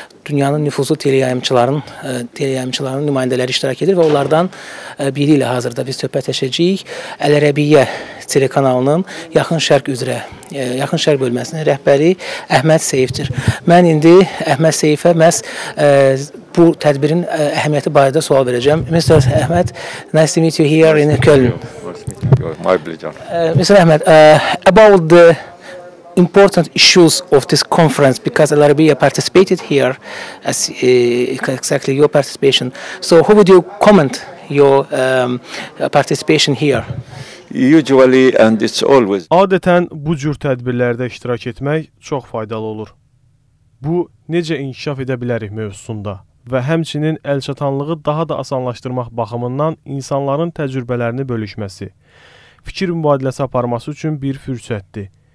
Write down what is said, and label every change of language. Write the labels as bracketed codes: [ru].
[az] Dünyanın nüfuzlu teleyayımçılarının nümayəndələri iştirak edir və onlardan biri ilə hazırda biz söhbət edəcəyik. Əl Ərəbiyyə telekanalının yaxın şərq üzrə, yaxın şərq bölməsinin rəhbəri Əhməd Seyifdir. Mən indi Əhməd Seyifə məhz bu tədbirin əhəmiyyəti barədə sual verəcəm. [en] Mr. Əhməd, nice to meet you here in Köln. My pleasure. Mr. Ahmed, about the important issues of this conference, because Al Arabiya participated here, as exactly your participation. So how would you comment your participation here? Usually and it's always. [az] Adətən bu cür tədbirlərdə iştirak etmək çox faydalı olur. Bu necə inkişaf edə bilərik mövzusunda və həmçinin əlçatanlığı daha da asanlaşdırmaq baxımından insanların təcrübələrini bölüşməsi, fikir mübadiləsi aparması üçün bir fürsətdir.